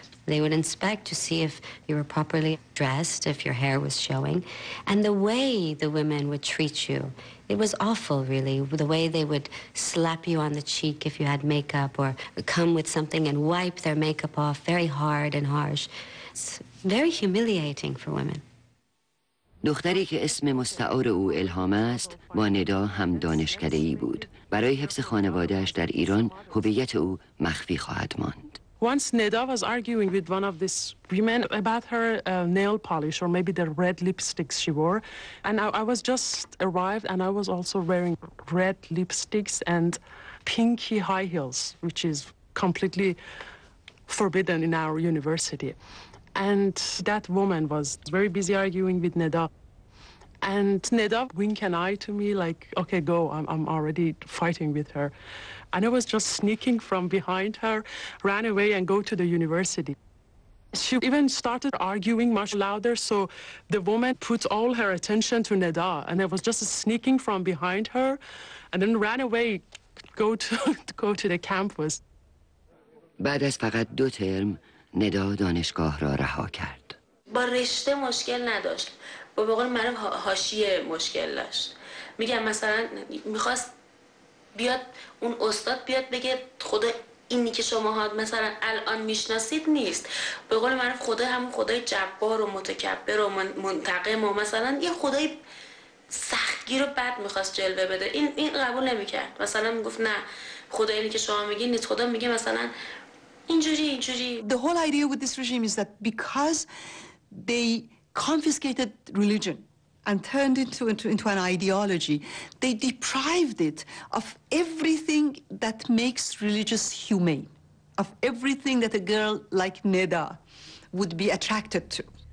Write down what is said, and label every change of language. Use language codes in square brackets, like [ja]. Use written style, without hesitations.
[en] They would inspect to see if you were properly dressed, if your hair was showing. And the way the women would treat you, it was awful, really. The way they would slap you on the cheek if you had makeup, or come with something and wipe their makeup off very hard and harsh. It's very humiliating for women. [fa] دختری که اسم مستعار او الهام است با ندا هم دانشکده ای بود. برای حفظ خانواده‌اش در ایران هویت او مخفی خواهد ماند. [en] Once Neda was arguing with one of these women about her nail polish or maybe the red lipsticks she wore, and I was just arrived and I was also wearing red lipsticks and pinky high heels, which is completely forbidden in our university. And that woman was very busy arguing with Neda, and Neda wink an eye to me like, okay, go, I'm already fighting with her. And I was just sneaking from behind her, ran away and go to the university. She even started arguing much louder, so the woman put all her attention to Neda, and I was just sneaking from behind her and then ran away, go to the campus. [fa] بعد از فقط دو ترم ندا دانشگاه را رها کرد. با رشته مشکل نداشت. با بقول من حاشیه مشکل داشت. میگم مثلا میخواست بیاد اون استاد بیاد بگه خدا اینی که شما ها مثلا الان میشناسید نیست. به قول من خدای همون خدای جبار و متکبر و منتقم و مثلا یه خدای سختگیر و بد میخواست جلوه بده. این قبول نمیکرد. مثلا میگفت نه، خدای اینی که شما میگید نیست، خدا میگه مثلا اینجوری. [en] The whole idea with this regime is that because they confiscated religion and turned it into an ideology, they deprived it of everything that makes religious humane, of everything that a girl like Neda would be attracted to.